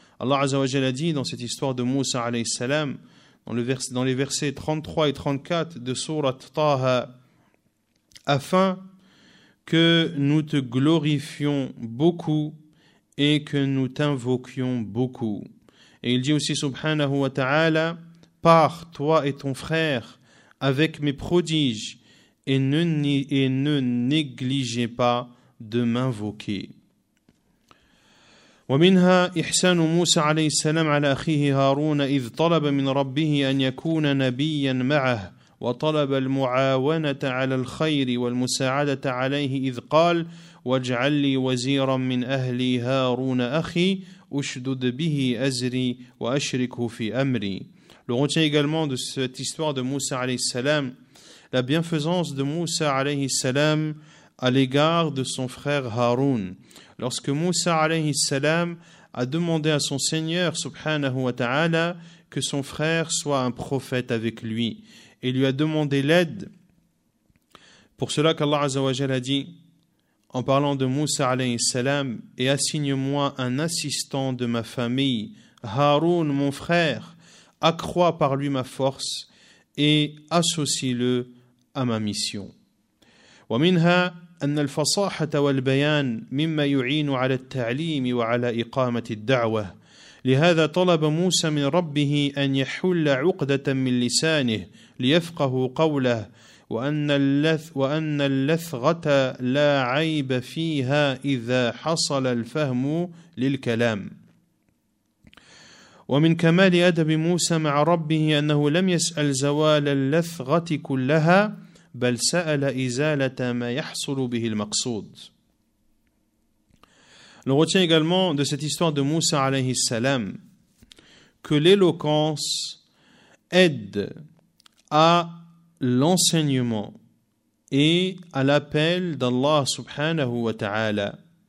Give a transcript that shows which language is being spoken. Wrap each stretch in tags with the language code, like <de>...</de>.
<fr>Allah azza wa jalla a dit dans cette histoire de Moussa alayhi salam, dans les versets 33 et 34 de Surat Taha, afin que nous te glorifions beaucoup et que nous t'invoquions beaucoup. Et il dit aussi subhanahu wa ta'ala, par toi et ton frère avec mes prodiges et ne négligez pas de m'invoquer.</fr> <ar>ومنها إحسان موسى عليه السلام على أخيه هارون إذ طلب من ربه أن يكون نبيا معه وطلب المعاونة على الخير والمساعدة عليه إذ قال واجعل لي وزيرا من أهلي هارون أخي أشدد به أزري وأشركه في أمري.</ar> <fr>Le retient également de cette histoire de Moussa عليه السلام la bienfaisance de Moussa عليه السلام à l'égard de son frère Haroun. Lorsque Moussa alayhi salam a demandé à son Seigneur subhanahu wa ta'ala que son frère soit un prophète avec lui et lui a demandé l'aide, pour cela qu'Allah azza wa jalla a dit en parlant de Moussa alayhi salam, et assigne-moi un assistant de ma famille, Haroun mon frère, accrois par lui ma force et associe-le à ma mission.</fr> <ar>Wa minha أن الفصاحة والبيان مما يعين على التعليم وعلى إقامة الدعوة. لهذا طلب موسى من ربه أن يحل عقدة من لسانه ليفقه قوله وأن اللثغة لا عيب فيها إذا حصل الفهم للكلام. ومن كمال أدب موسى مع ربه أنه لم يسأل زوال اللثغة كلها بل سأل إزالة ما يحصل به المقصود.</ar> <fr>On retient également de cette histoire de Moussa alayhi salam que l'éloquence aide à l'enseignement et à l'appel d'Allah subhanahu wa ta'ala.</fr>